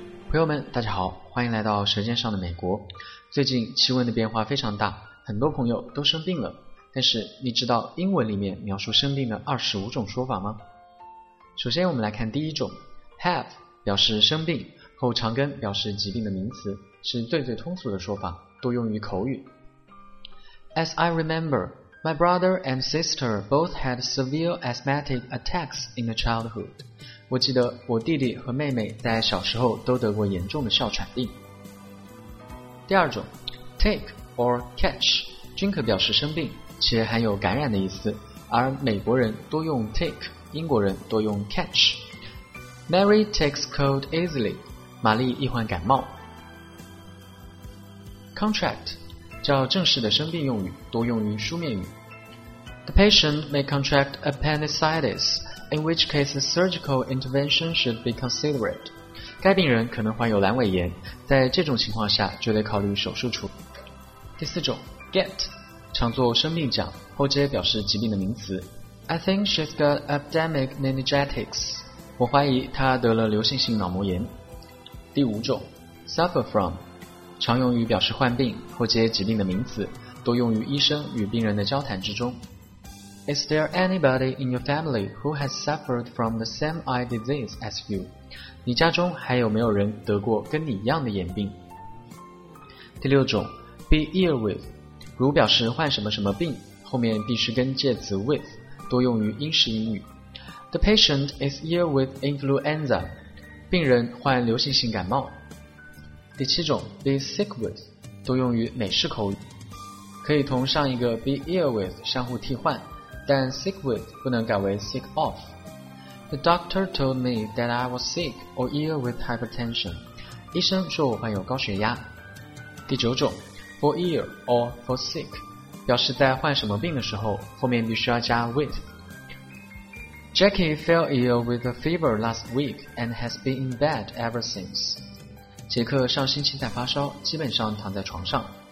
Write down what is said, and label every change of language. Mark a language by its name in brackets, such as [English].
[Chinese] 朋友们大家好，欢迎来到舌尖上的美国。最近气温的变化非常大，很多朋友都生病了。但是你知道英文里面描述生病的25种说法吗？首先我们来看第一种， have 表示生病，后长根表示疾病的名词，是最最通俗的说法，多用于口语。 [English] As I remember, my brother and sister both had severe asthmatic attacks in the childhood. [Chinese] 我记得我弟弟和妹妹在小时候都得过严重的哮喘病。第二种， take or catch 均可表示生病，且含有感染的意思，而美国人多用 take, 英国人多用 catch。 [English] Mary takes cold easily, [Chinese] 玛丽易患感冒。 Contract 叫正式的生病用语，多用于书面语。 [English] The patient may contract appendicitis, in which case a surgical intervention should be considered. [Chinese] 该病人可能患有阑尾炎，在这种情况下就得考虑手术处理。第四种， get常做生病讲，后接表示疾病的名词。 [English] I think she's got epidemic meningitis. [Chinese] 我怀疑她得了流行性脑膜炎。第五种， suffer from 常用于表示患病，后接疾病的名词，多用于医生与病人的交谈之中。 [English] Is there anybody in your family who has suffered from the same eye disease as you? [Chinese] 你家中还有没有人得过跟你一样的眼病？第六种， be ill with如表示患什么什么病，后面必须跟介词 with, 多用于英式英语。 [English] The patient is ill with influenza, [Chinese] 病人患流行性感冒。第七种， be sick with, 多用于美式口语。可以同上一个 be ill with 相互替换，但 sick with 不能改为 sick of。 [English] The doctor told me that I was sick or ill with hypertension. [Chinese] 医生说我患有高血压。第九种， [English] for ill or for sick [Chinese] 表示在患什么病的时候，后面必须要加 with。 [English] Jackie fell ill with a fever last week and has been in bed ever since. [Chinese] 杰克上星期在发烧，基本上躺在床上。